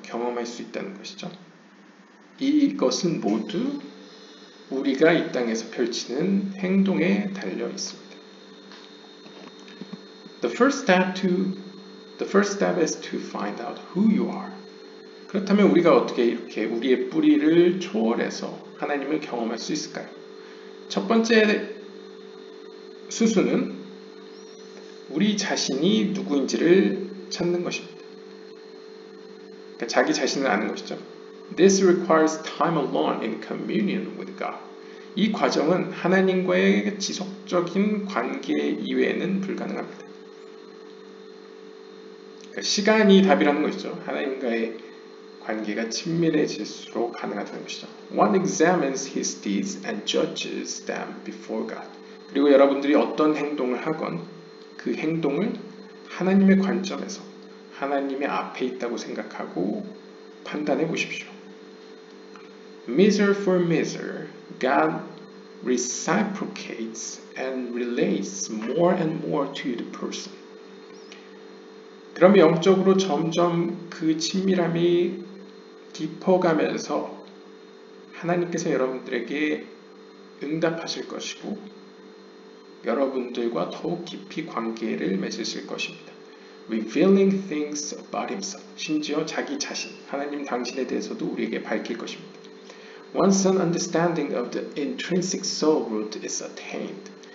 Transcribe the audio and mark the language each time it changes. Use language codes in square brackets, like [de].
[ko] 경험할 수 있다는 것이죠. 이것은 모두 우리가 이 땅에서 펼치는 행동에 달려 있습니다. [en] The first step is to find out who you are. [ko] 그렇다면 우리가 어떻게 이렇게 우리의 뿌리를 초월해서 하나님을 경험할 수 있을까요? 첫 번째 수순은 우리 자신이 누구인지를 찾는 것입니다. 그러니까 자기 자신을 아는 것이죠. [en] This requires time alone in communion with God. [ko] 이 과정은 하나님과의 지속적인 관계 이외에는 불가능합니다. 시간이 답이라는 것이죠. 하나님과의 관계가 친밀해질수록 가능하다는 것이죠. [en] One examines his deeds and judges them before God. [ko] 그리고 여러분들이 어떤 행동을 하건 그 행동을 하나님의 관점에서 하나님의 앞에 있다고 생각하고 판단해 보십시오. [en] Measure for measure, God reciprocates and relates more and more to the person. [ko] 그럼 영적으로 점점 그 친밀함이 깊어가면서 하나님께서 여러분들에게 응답하실 것이고 여러분들과 더욱 깊이 관계를 맺으실 것입니다. [en] Revealing things about himself. [ko] 심지어 자기 자신, 하나님 당신에 대해서도 우리에게 밝힐 것입니다. [en] Once an understanding of the intrinsic soul root is attained.